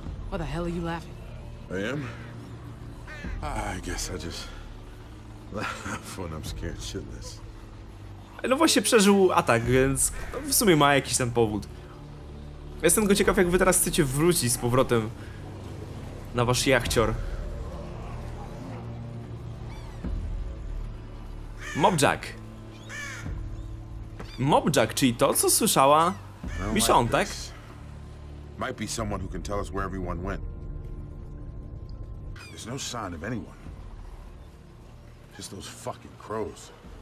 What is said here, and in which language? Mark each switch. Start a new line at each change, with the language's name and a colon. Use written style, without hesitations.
English: Why the hell are you laughing? I am? I guess I just laugh when I'm scared shitless.
Polish: No właśnie przeżył atak, więc w sumie ma jakiś ten powód. Jestem go ciekaw, jak wy teraz chcecie wrócić z powrotem na wasz jachcior. Mobjack. Mobjack, czyli to, co słyszała Michonne, like tak?
English: Might be someone who can tell us where everyone went. There's no sign of anyone. Just those fucking crows.